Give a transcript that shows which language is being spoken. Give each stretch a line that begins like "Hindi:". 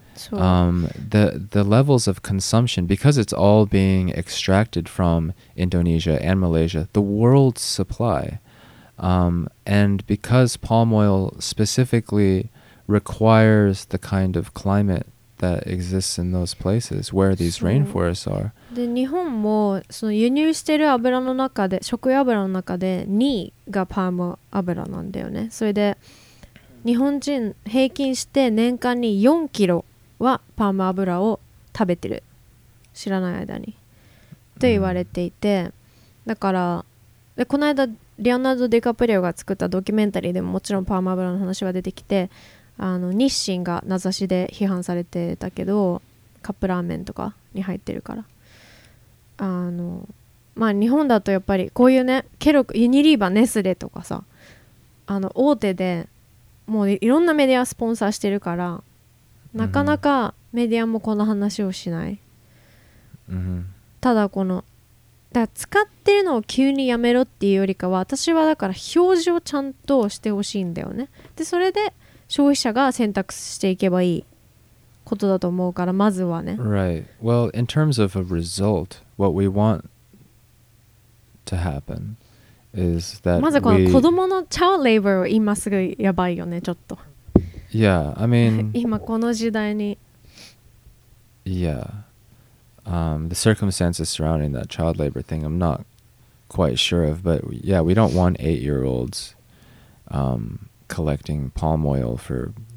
English: The levels of consumption, because it's all being extracted from Indonesia and Malaysia, the world's supply. And because palm oil specifically requires the kind of climate that exists in those places where these rainforests are.
Japanese: で、日本もその輸入してる油の中で、食用油の中で2位がパーム油なんだよね。それで日本人平均して年間に4キロはパーム油を食べてる、知らない間にと言われていて、だから、でこの間リオナルド・ディカプリオが作ったドキュメンタリーでももちろんパーム油の話は出てきて、あの日清が名指しで批判されてたけど、カップラーメンとかに入ってるから、あの、まあ日本だとやっぱりこういうね、ケロ、ユニリーバ、ネスレとかさ、あの大手でもういろんなメディアスポンサーしてるから、なかなかメディアもこの話をしない。ただこのだ、使ってるのを急にやめろっていうよりかは、私はだから表示をちゃんとしてほしいんだよね。でそれで消費者が選択していけばいいことだと思うから、まずはね。
English: Right. Well, in terms of a result, what we want to happen is that
Japanese: まずこの子供の
English: child labor
Japanese: を今すぐやばいよね、ちょっと。
English: Yeah, I mean
Japanese: 今この時代に、
English: Yeah, the circumstances surrounding that child labor thing I'm not quite sure of, but yeah, we don't want 8-year-olds collecting palm oil for